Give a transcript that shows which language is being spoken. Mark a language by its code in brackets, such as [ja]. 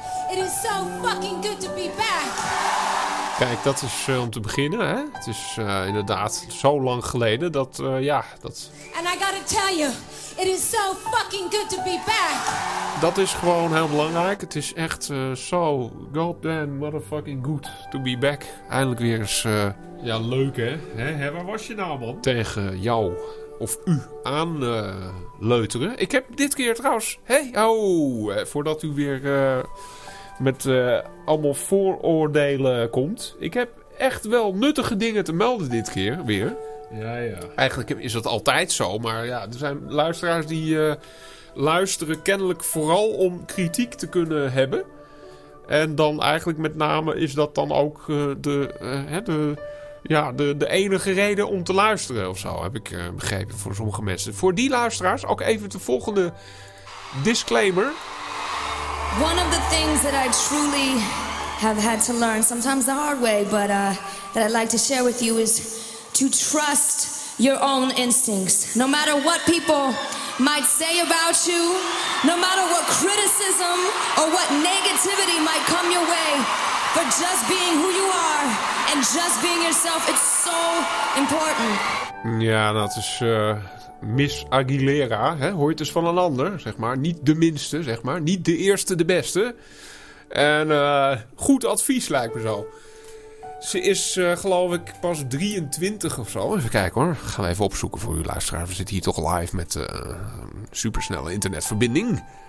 [en] It is so fucking good to be back. [nl] Kijk, dat is om te beginnen, hè? Het is inderdaad zo lang geleden dat, ja, dat. [en] And I gotta tell you, it is so fucking good to be back. [nl] Dat is gewoon heel belangrijk. Het is echt [en] so goddamn motherfucking good to be back. [nl] Eindelijk weer eens. Ja, leuk hè? Hè, waar was je nou, man? Tegen jou of u aan leuteren. Ik heb dit keer trouwens. Hey, oh, voordat u weer. Met allemaal vooroordelen komt. Ik heb echt wel nuttige dingen te melden dit keer weer. Ja. Eigenlijk is dat altijd zo, maar ja, er zijn luisteraars die luisteren kennelijk vooral om kritiek te kunnen hebben. En dan eigenlijk met name is dat dan ook de enige reden om te luisteren of zo, heb ik begrepen voor sommige mensen. Voor die luisteraars ook even de volgende disclaimer. [en] One of the things that I truly have had to learn, sometimes the hard way, but that I'd like to share with you is to trust your own instincts. No matter what people might say about you, no matter what criticism or what negativity might come your way, for just being who you are and just being yourself, it's so important. [nl] Ja, dat is Miss Aguilera, hè? Hoor je het dus van een ander, zeg maar. Niet de minste, zeg maar. Niet de eerste, de beste. En goed advies lijkt me zo. Ze is, geloof ik, pas 23 of zo. Even kijken hoor. Gaan we even opzoeken voor u, luisteraar. We zitten hier toch live met een supersnelle internetverbinding.